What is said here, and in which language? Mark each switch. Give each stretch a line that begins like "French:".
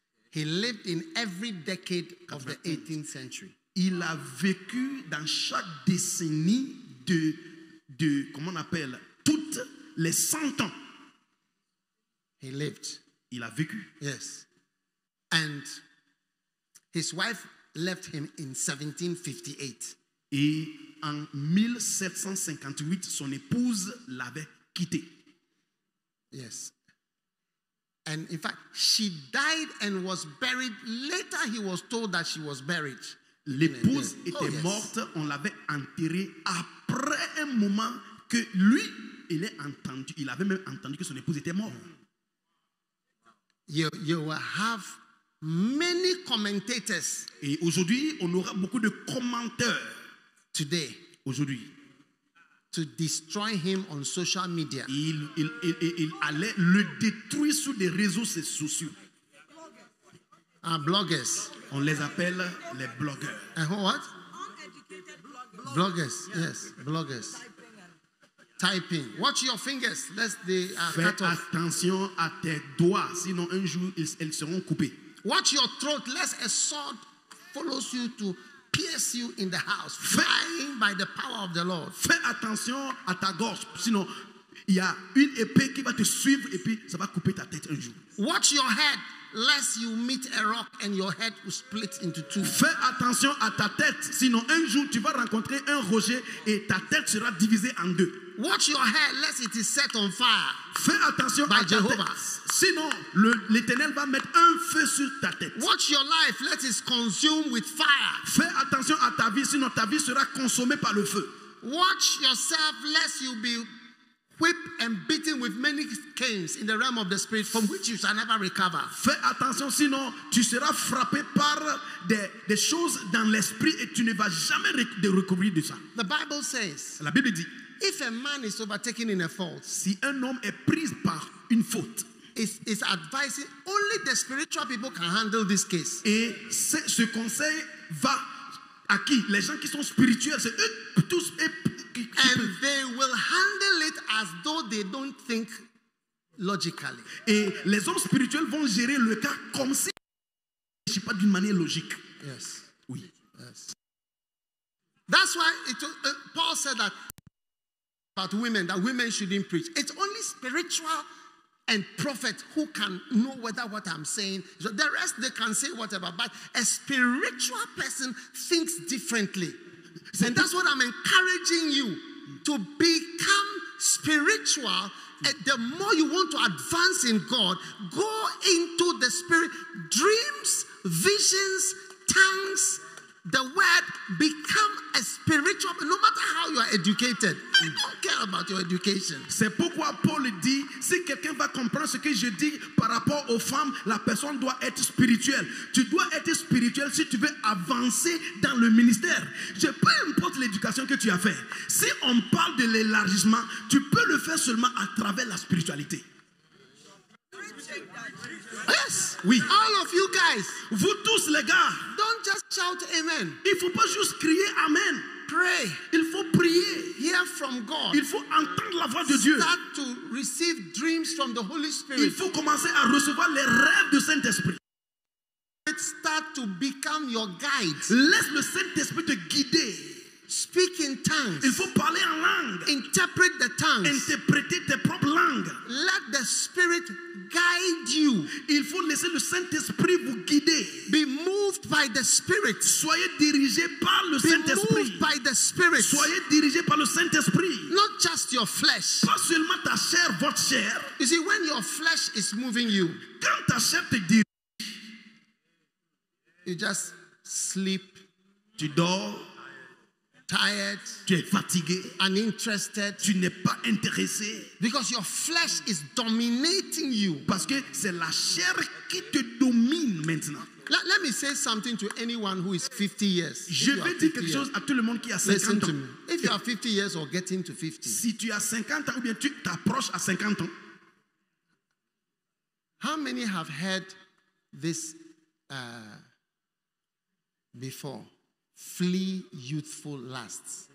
English: He lived in every decade of the 18th century.
French: Il a vécu dans chaque décennie de comment on appelle toutes les 100 ans.
English: He lived.
French: Il a vécu.
English: Yes. And his wife left him in 1758.
French: Et en 1758, son épouse l'avait quitté.
English: Yes. And in fact, she died and was buried. Later, he was told that she was buried.
French: L'épouse était morte. On l'avait enterrée après un moment que lui, il est entendu. Il avait même entendu que son épouse était morte.
English: You will have many commentators.
French: Et aujourd'hui, on aura beaucoup de commentateurs.
English: Today.
French: Aujourd'hui.
English: To destroy him on social media.
French: Il allait le détruire sur des réseaux sociaux.
English: Bloggers.
French: On les appelle les blogueurs.
English: And what? Uneducated bloggers. Yes, bloggers. Typing. Watch your fingers. Lest they are
French: fais
English: cut off.
French: Attention à tes doigts, sinon un jour ils seront coupés.
English: Watch your throat, lest a sword follows you to pierce you in the house,
French: fais,
English: flying by the power of the Lord.
French: Fais attention à ta gorge, sinon Il y a une épée qui va te suivre et puis ça va couper ta tête un jour.
English: Watch your head, lest you meet a rock and your head will split into two.
French: Fais attention à ta tête, sinon un jour tu vas rencontrer un rocher et ta tête sera divisée en deux.
English: Watch your head, lest it is set on fire.
French: Fais attention
English: by
French: à
English: Jehovah.
French: Ta tête, sinon l'Éternel va mettre un feu sur ta tête.
English: Watch your life, lest it consume with fire.
French: Fais attention à ta vie, sinon ta vie sera consommée par le feu.
English: Watch yourself, lest you be whipped and beaten with many canes in the realm of the spirit, from which you shall never recover.
French: Fais attention, sinon tu seras frappé par des choses dans l'esprit et tu ne vas jamais recouvrir de ça.
English: The Bible says.
French: La Bible dit.
English: If a man is overtaken in a fault,
French: si un homme est pris par une faute,
English: it's advising only the spiritual people can handle this case.
French: Et ce conseil va à qui? Les gens qui sont spirituels, c'est eux tous.
English: And they will handle it as though they don't think logically.
French: Et les hommes spirituels vont gérer le cas comme si je sais pas d'une manière logique.
English: Yes.
French: Oui.
English: Yes. That's why Paul said that. But women, that women shouldn't preach. It's only spiritual and prophet who can know whether what I'm saying. So the rest, they can say whatever. But a spiritual person thinks differently. And that's what I'm encouraging you to become spiritual. And the more you want to advance in God, go into the spirit. Dreams, visions, tongues, the word, become a spiritual, no matter how you are educated. I don't care about your education.
French: C'est pourquoi Paul dit, si quelqu'un va comprendre ce que je dis par rapport aux femmes, la personne doit être spirituelle. Tu dois être spirituel si tu veux avancer dans le ministère. Je peu importe l'éducation que tu as fait. Si on parle de l'élargissement, tu peux le faire seulement à travers la spiritualité.
English: Yes.
French: Oui.
English: All of you guys.
French: Vous tous les gars.
English: Don't just shout amen.
French: Il faut pas juste crier amen.
English: Pray.
French: Il faut prier.
English: Hear from God.
French: Il faut entendre la voix de
English: Start
French: Dieu.
English: Start to receive dreams from the Holy Spirit.
French: Il faut commencer à recevoir les rêves du Saint-Esprit.
English: It start to become your guide.
French: Laisse le Saint-Esprit te guider.
English: Speak in tongues.
French: Il faut parler en langue.
English: Interpret the tongues.
French: Interpréter tes propres langues.
English: Let the Spirit guide you.
French: Il faut laisser le Saint-Esprit vous guider.
English: Be moved by the Spirit.
French: Soyez dirigé par le
English: Be
French: Saint-Esprit.
English: Be moved by the Spirit.
French: Soyez dirigé par le Saint-Esprit.
English: Not just your flesh.
French: Pas seulement ta chair, votre chair.
English: You see, when your flesh is moving you,
French: quand ta chair te dirige,
English: you just sleep.
French: Tu dors.
English: Tired,
French: tu es fatigué,
English: uninterested,
French: tu n'es pas intéressé,
English: because your flesh is dominating you.
French: Parce que c'est la chair qui te domine maintenant.
English: Let me say something to anyone who is 50 years.
French: Je vais dire quelque chose à tout le monde qui a 50
English: Listen
French: ans.
English: To me. If you are 50 years or getting to 50.
French: Si tu as 50 ans ou bien tu t'approches à 50 ans.
English: How many have heard this before? Flee youthful lusts.